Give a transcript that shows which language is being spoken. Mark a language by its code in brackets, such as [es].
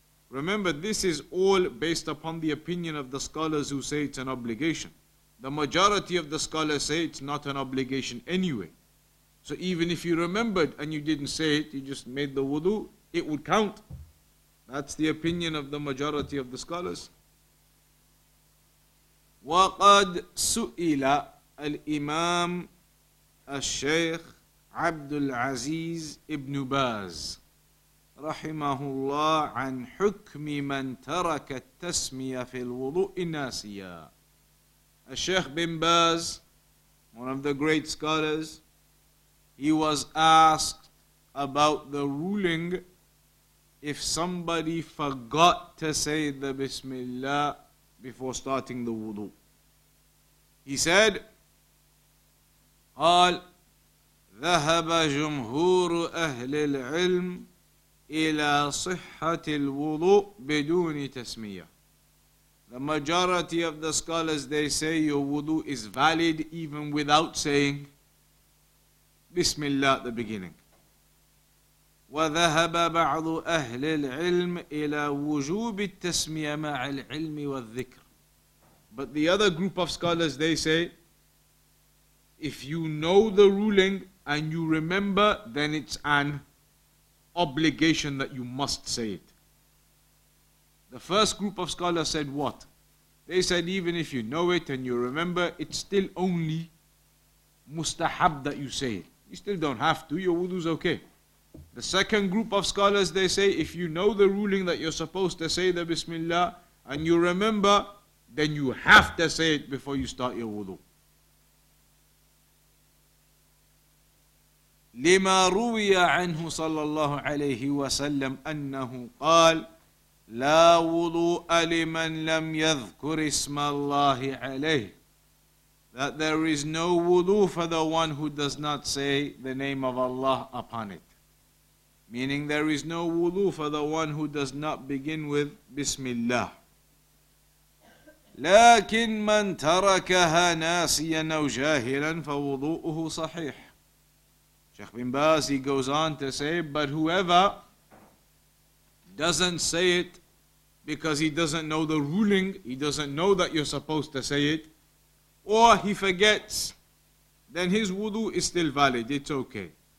[en] Remember, this is all based upon the opinion of the scholars who say it's an obligation. The majority of the scholars say it's not an obligation anyway. So even if you remembered and you didn't say it, you just made the wudu, it would count. That's the opinion of the majority of the scholars. [ar] وَقَدْ سُئِلَ الْإِمَامُ الشَّيْخ عَبْدُ الْعَزِيزِ إِبْنُ بَازِ رحمه الله عن حكم من ترك التسمية في الوضوء ناسيا. [en] الشيخ بن باز, one of the great scholars, he was asked about the ruling if somebody forgot to say the Bismillah before starting the wudu. He said, [ar] قال ذهب جمهور أهل العلم إلى صحة الوضوء بدون تسمية. [en] The majority of the scholars, they say your wudu is valid even without saying Bismillah at the beginning. [ar] وذهب بعض أهل العلم إلى وجوب التسمية مع العلم والذكر. [en] But the other group of scholars, they say, if you know the ruling and you remember, then it's an obligation that you must say it. The first group of scholars said what? They said even if you know it and you remember, it's still only mustahab that you say it. You still don't have to, your wudu's okay. The second group of scholars, they say if you know the ruling that you're supposed to say the Bismillah and you remember, then you have to say it before you start your wudu. [ar] لما روي عنه صلى الله عليه وسلم أنه قال لا وضوء لمن لم يذكر اسم الله عليه. [en] That there is no wudu for the one who does not say the name of Allah upon it. Meaning there is no wudu for the one who does not begin with Bismillah. [ar] لكن من تركها ناسيا أو جاهلا فوضوءه صحيح. [en] Sheikh bin Baz, he goes on to say, but whoever doesn't say it because he doesn't know the ruling, he doesn't know that you're supposed to say it, or he forgets, then his wudu is still valid, it's okay.